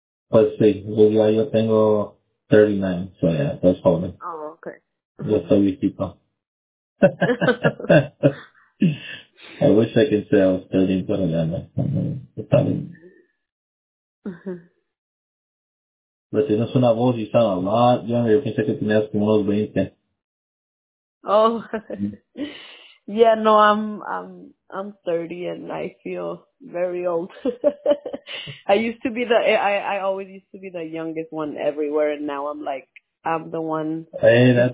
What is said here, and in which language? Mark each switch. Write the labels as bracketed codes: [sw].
[es] Pues sí, yo tengo 39. [en] So, yeah, [es] estás joven. [en] Oh, okay. [es] Yo soy viejito. [en] I wish I could say I was 30, but I don't know. [es] Pero tienes una voz y está [en] a lot younger. [es] Yo pensé que tenías como unos 20. [en] Oh, yeah, no, I'm 30 and I feel very old. I always used to be the youngest one everywhere, and now I'm like, I'm the one. Hey, that's